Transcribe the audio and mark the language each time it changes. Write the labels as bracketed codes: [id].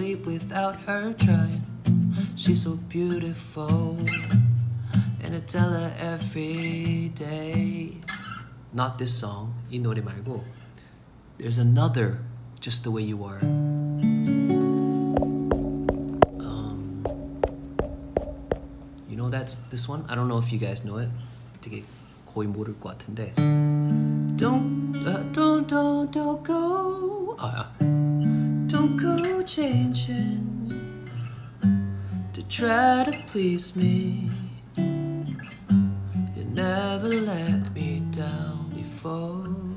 [en] without her trying. She's so beautiful, and I tell her every day. Not this song, [ko] 이 노래 말고. [en] There's another, just the way you are. You know that's this one? I don't know if you guys know it. [ko] 되게 거의 모를 것 같은데. [en] Don't go. Oh, yeah. Don't go changing to try to please me. You never let me down before.